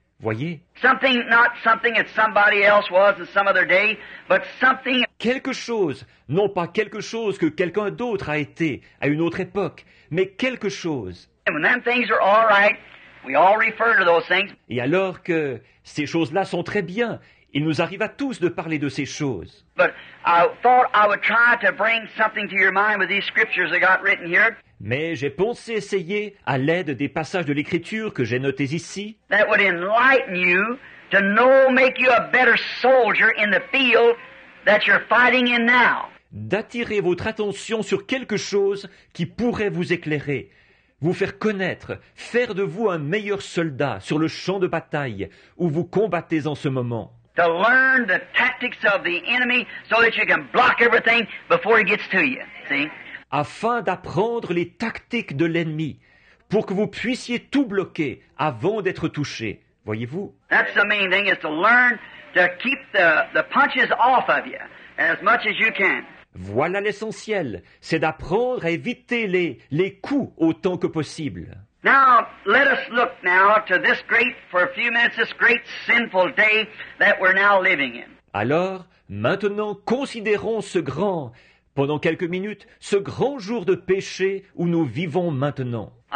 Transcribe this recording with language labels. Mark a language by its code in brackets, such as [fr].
[fr] Voyez? [en] Something not something that somebody else was in some other day, but something. [fr] Quelque chose, non pas quelque chose que quelqu'un d'autre a été à une autre époque, mais quelque chose. [en] And when them things are all right, we all refer to those things. [fr] Et alors que ces choses-là sont très bien, il nous arrive à tous de parler de ces choses. [en] But I thought I would try to bring something to your mind with these scriptures I got written here. [fr] Mais j'ai pensé essayer, à l'aide des passages de l'Écriture que j'ai notés ici, [en] that would enlighten you to know, make you a better soldier in the field that you're fighting in now. [fr] D'attirer votre attention sur quelque chose qui pourrait vous éclairer, vous faire connaître, faire de vous un meilleur soldat sur le champ de bataille où vous combattez en ce moment. [en] To learn the tactics of the enemy so that you can block everything before he gets to you. See? [fr] Afin d'apprendre les tactiques de l'ennemi, pour que vous puissiez tout bloquer avant d'être touché. Voyez-vous? [en] That's the main thing, is to learn to keep the punches off of you as much as you can. [fr] Voilà l'essentiel, c'est d'apprendre à éviter les coups autant que possible. [en] Now, let us look now to this great, for a few minutes, this great sinful day that we're now living in. [fr] Alors, maintenant, considérons ce grand... Pendant quelques minutes, ce grand jour de péché où nous vivons maintenant.